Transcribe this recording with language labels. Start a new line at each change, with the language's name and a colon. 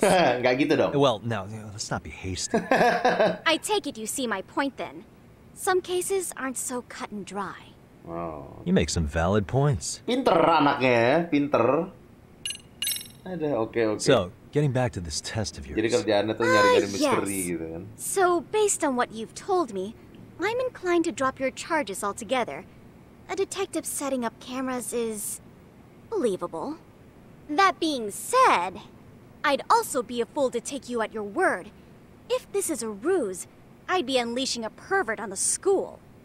Indonesian: Gak gitu dong.
English: Well, no, let's not be hasty. I take it you see my point then. Some cases aren't so cut and dry. Wow. You make some valid points.
Indonesian: Pinter anaknya, pinter. Ada, okay, okay.
English: So, getting back to this test of yours.
Indonesian: Jadi kerjaannya tuh nyari-nyari misteri gitu kan.
English: So, based on what you've told me, I'm inclined to drop your charges altogether. A detective setting up cameras is believable. That being said, I'd also be a fool to take you at your word. If this is a ruse, I'd be unleashing a pervert on the school.